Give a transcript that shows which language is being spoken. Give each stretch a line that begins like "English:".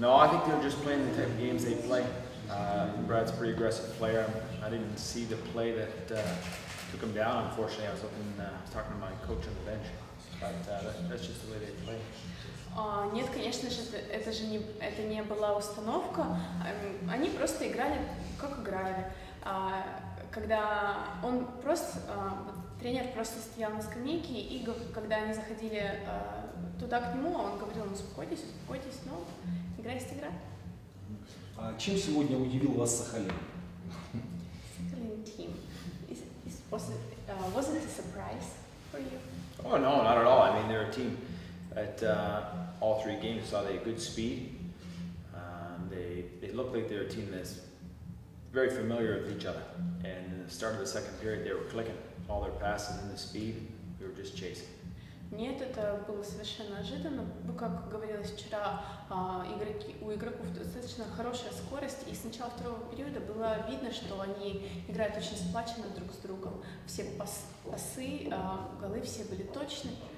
English: No, I think they're just playing the type of games they play. Brad's a pretty aggressive player. I didn't see the play that took him down. Unfortunately, I was talking to my coach on the bench. But that's just the way they play.
Russian: Нет, конечно же, это не была установка. Они просто играли, как играли. Когда он просто тренер просто стоял на скамейке, и когда они заходили туда к нему, он говорил: ну, успокойтесь, но игра есть игра. А чем сегодня удивил вас Сахалин?
English: Сахалин team. Was it a surprise for you? Oh no, not at all. I mean, they're a team that all three games saw they had good speed. They look like they're a team that's very familiar with each other. And in the start of the second period they were clicking. All their passes and the speed, we were just chasing.
Russian: Нет, это было совершенно ожиданно. Как говорилось вчера, у игроков достаточно хорошая скорость, и с начала второго периода было видно, что они играют очень сплоченно друг с другом. Все пасы, голы все были точны.